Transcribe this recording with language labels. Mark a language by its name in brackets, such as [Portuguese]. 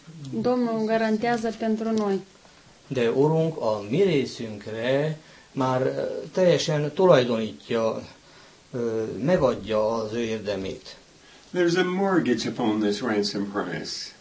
[Romanian] Domnul garantează pentru noi. [Hungarian] De Urunk a mi részünkre már teljesen tulajdonítja, megadja az ő érdemét. [English] There's a mortgage upon this ransom price.